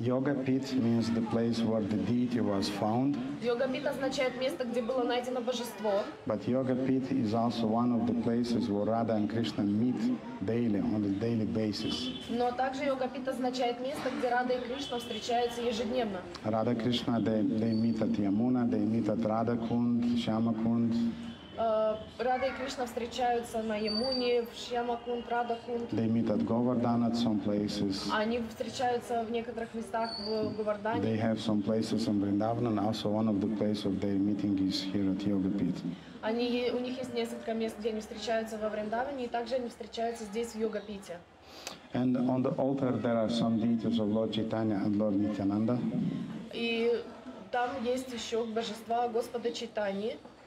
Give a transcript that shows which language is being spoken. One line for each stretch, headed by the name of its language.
English: Yoga pit means the place where the deity was found.
Russian: Yoga pit означает место, где было найдено божество.
English: But yoga pit is also one of the places where Radha and Krishna meet daily, on a daily basis.
Russian: Но также yoga pit означает место, где Рада и Кришна встречаются ежедневно.
English: Radha Krishna, they meet at Yamuna, they meet at Radha Kund, Shyama Kund.
Russian: Рада и Кришна встречаются на Ямуне, в Шьямакунд, Радхакунд.
English: They meet at Govardhan at some places.
Russian: Они встречаются в некоторых местах в Говардане.
English: They have some places in Vrindavan, and also one of the places of their meeting is here at Yoga Pit.
Russian: Они, у них есть несколько мест, где они встречаются во Вриндаване, и также они встречаются здесь, в Йога Пите.
English: And on the altar there are some deities of Lord Chaitanya and Lord Nityananda.
Russian: И там есть еще божества Господа Чайтани.